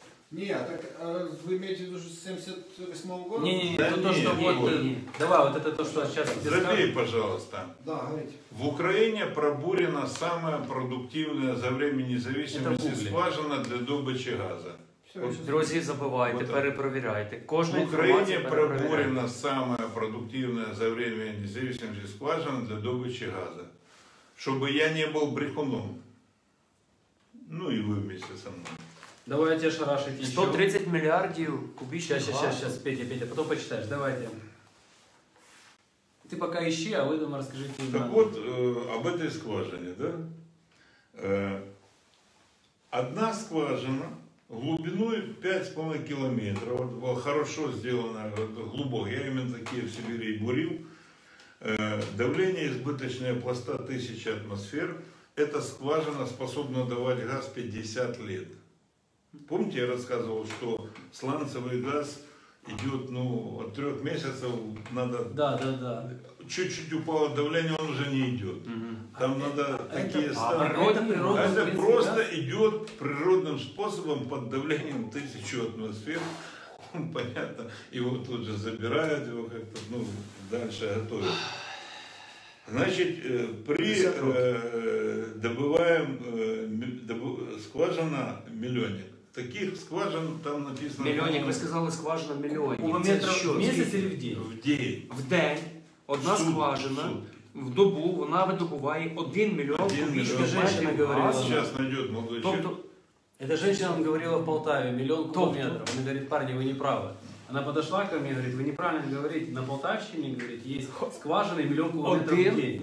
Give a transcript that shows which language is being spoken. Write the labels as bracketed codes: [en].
[ru] Не, так вы имеете в виду, что с 78-го года? Не, да, это не, то, что не, вот, не, не. Давай, вот это то, что сейчас... Забей, пожалуйста. Да, говорите. В Украине пробурена самая продуктивная за время независимости скважина для добычи газа. [uk] Друзі, забувайте, вот перепровіряйте. Кожна інформація перепровіряйте. В Україні пробурена саме продуктивна за время независимости скважина для добычі газу. Щоб я не був брехуном. Ну і ви вместе со мною. Давайте шарашити. 130 мільярдів кубічних газу. Сейчас, Петя, потім почитаєш. Давайте. Ти поки іщи, а ви думаю, розкажіть. [ru] Так от, об этой скважині, да? Одна скважина глубиной 5,5 километра, вот, хорошо сделано, вот, глубоко, я именно такие в Сибири и бурил. Давление избыточное пласта 1000 атмосфер, эта скважина способна давать газ 50 лет. Помните, я рассказывал, что сланцевый газ идет, ну, от 3 месяцев надо... Да, да, да. Чуть-чуть упало давление, он уже не идет. Угу. Там надо такие ставки. Это просто идет природным способом под давлением 1000 атмосфер. Понятно. Его тут же забирают, его как-то, ну, дальше готовят. Значит, при добываем скважина миллионник. Таких скважин там написано... Миллионник, вы сказали скважина миллионник. У метров в месяц или в день? В день. В день. [uk] Одна скважина в добу, вона видобуває 1 мільйон кубічних метрів газу. Зараз знайдуть молодий чоловік. Ця жінка вам говорила в Полтаві, мільйон кубометрів. Вона говорить, парні, ви не праві. Вона підійшла до мене і говорить, ви неправильно говорите. На Полтавщині, говорить, є скважина і мільйон кубометрів в день.